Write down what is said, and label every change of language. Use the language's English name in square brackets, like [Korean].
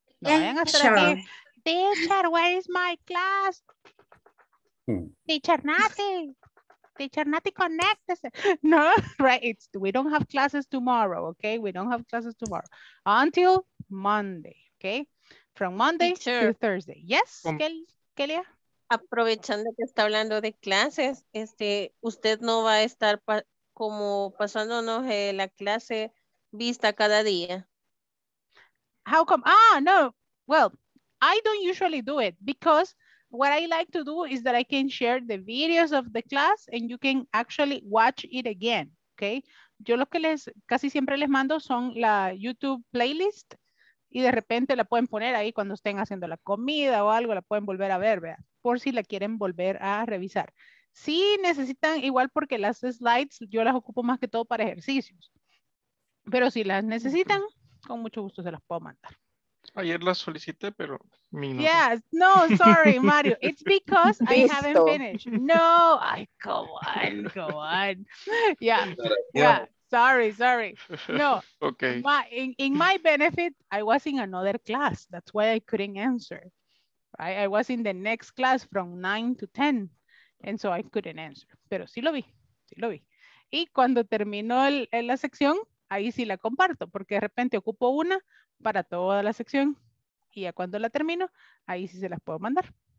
[English] Teacher, where is my class? Teacher Nati, connect. No, right, we don't have classes tomorrow, okay? We don't have classes tomorrow until Monday, okay? From Monday to Thursday. Yes, Kelia. [Spanish] Aprovechando que está hablando de clases, usted no va a estar como pasándonos la clase vista cada día. [English] How come? Ah, no. Well, I don't usually do it because what I like to do is that I can share the videos of the class and you can actually watch it again. [Spanish] Okay. Yo lo que les casi siempre les mando son la YouTube playlist. Y de repente la pueden poner ahí cuando estén haciendo la comida o algo, la pueden volver a ver, ¿verdad? Por si la quieren volver a revisar. Sí necesitan, igual porque las slides yo las ocupo más que todo para ejercicios. Pero si las necesitan, con mucho gusto se las puedo mandar. Ayer las solicité, pero... [English] Yes, no, sorry, Mario. It's because I haven't finished. No, ay, go on. Yeah. Sorry. No. Okay. In my benefit, I was in another class. That's why I couldn't answer. Right? I was in the next class from 9 to 10. And so I couldn't answer. [Spanish] Pero sí lo vi. Sí lo vi. Y cuando terminó la sección, ahí sí la comparto. Porque de repente ocupo una para toda la sección. Y ya cuando la termino, ahí sí se las puedo mandar.